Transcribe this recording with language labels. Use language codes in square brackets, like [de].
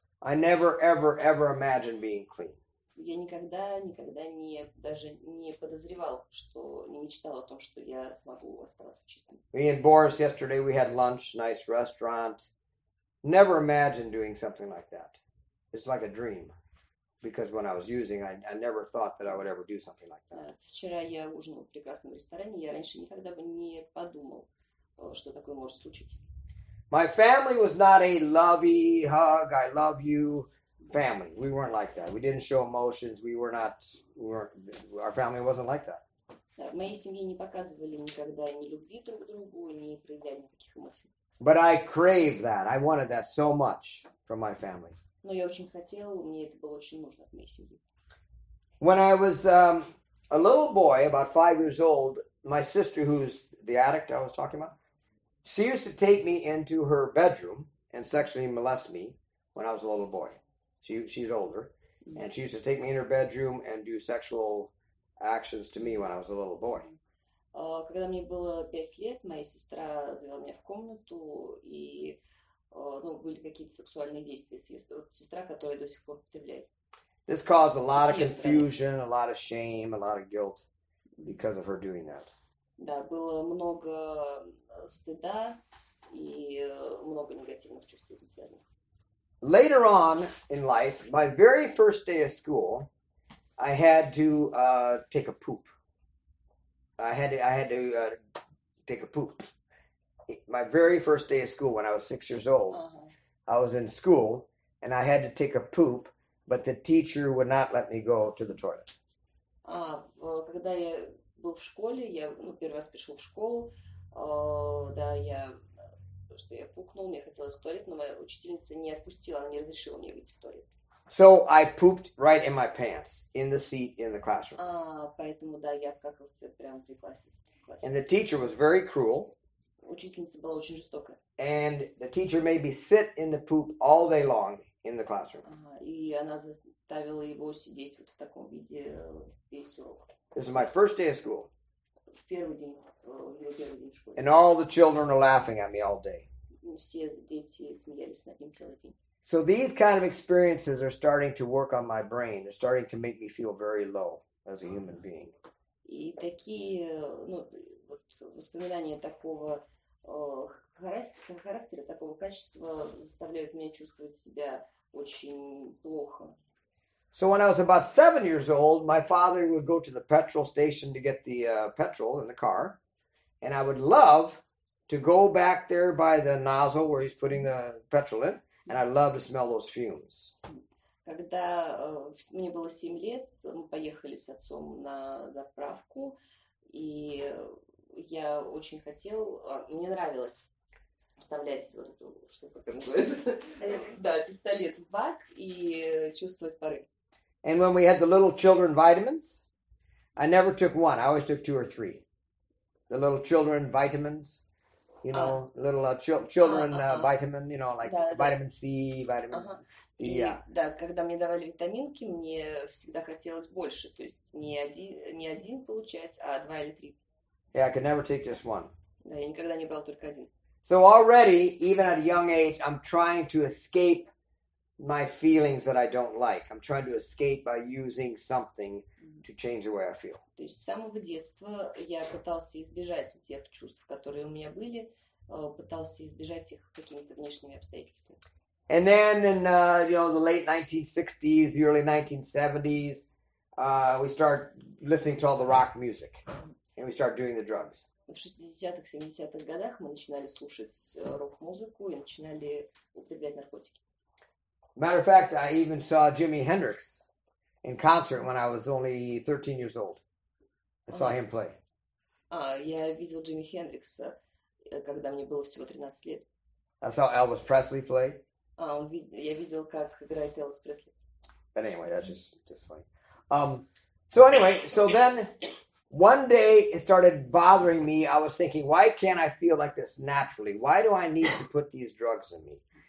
[en] I never, ever, ever imagined being clean. [ru] Я никогда, никогда не, даже не подозревал, что, не мечтал о том, что я смогу оставаться чистым. [en] Me and Boris yesterday, we had lunch, nice restaurant. Never imagined doing something like that. It's like a dream. Because when I was using, I never thought that I would ever do something like that. [ru] Вчера я ужинал в прекрасном ресторане. Я раньше никогда бы не подумал, что такое может случиться. [en] My family was not a lovey hug, I love you. Family. We weren't like that. We didn't show emotions. We weren't our family wasn't like that. [ru] Моей семье не показывали никогда ни любви друг к другу, ни проявляли никаких эмоций. [en] But I craved that. I wanted that so much from my family. [ru] Но я очень хотел, мне это было очень нужно от моей семьи. [en] When I was a little boy, about 5 years old, my sister, who's the addict I was talking about, she used to take me into her bedroom and sexually molest me when I was a little boy. She's older, and she used to take me in her bedroom and do sexual actions to me when I was a little boy. [ru] Когда мне было 5 лет, моя сестра завела меня в комнату, и ну, были какие-то сексуальные действия с сестра, которая до сих пор употребляет. [en] This caused a lot of confusion, a lot of shame, a lot of guilt because of her doing that. [ru] Да, было много стыда и много негативных чувств связанных. [en] Later on in life, my very first day of school, I had to take a poop. I had to take a poop. My very first day of school when I was 6 years old, I was in school and I had to take a poop, but the teacher would not let me go to the toilet. [ru] Когда я был в школе, я первый раз пришел в школу, что я пукнул, мне хотелось в туалет, но моя учительница не отпустила, она не разрешила мне выйти в туалет. [en] So I pooped right in my pants, in the seat, in the classroom. [ru] Поэтому, да, я какался прямо при классе. [en] And the teacher was very cruel. [ru] Учительница была очень жестокая. [en] And the teacher made me sit in the poop all day long in the classroom. [ru] И она заставила его сидеть вот в таком виде весь урок. [en] This is my first day of school. [ru] В первый день. [en] And all the children are laughing at me all day. [ru] Все дети смеялись над ним целый день. [en] So these kind of experiences are starting to work on my brain. They're starting to make me feel very low as a human being. [ru] И такие, ну, вот воспоминания такого характера, такого качества заставляют меня чувствовать себя очень плохо. [en] So when I was about 7 years old, my father would go to the petrol station to get the petrol in the car. And I would love to go back there by the nozzle where he's putting the petrol in, and I love to smell those fumes. [ru] Когда мне было 7 лет, мы поехали с отцом на заправку, и я очень хотел, мне нравилось вставлять вот эту, что потом говорится, да, пистолет в бак и чувствовать пары. [en] And when we had the little children vitamins, I never took one. I always took two or three. The little children vitamins, you know, vitamin, you know, like vitamin C, vitamin. [ru] Да, когда мне давали витаминки, мне всегда хотелось больше, то есть не один получать, а два или три. [en] Yeah, I could never take just one. [ru] Да, я никогда не брал только один. [en] So already, even at a young age, I'm trying to escape my feelings that I don't like. I'm trying to escape by using something to change the way I feel. [ru] То есть с самого детства я пытался избежать тех чувств, которые у меня были, пытался избежать их какими-то внешними обстоятельствами. [en] And then in the late 1960s, the early 1970s, we start listening to all the rock music and we start doing the drugs. [ru] В 60-х, 70-х годах мы начинали слушать рок-музыку и начинали употреблять наркотики. [en] Matter of fact, I even saw Jimi Hendrix in concert when I was only 13 years old. I saw him play. [ru] Я видел Джимми Хендрикса, когда мне было всего 13 лет. [en] I saw Elvis Presley play. [ru] Я видел, как играет Элвис Пресли. [en] But anyway, that's just funny. So anyway, so then one day it started bothering me. I was thinking, why can't I feel like this naturally? Why do I need to put these drugs in me?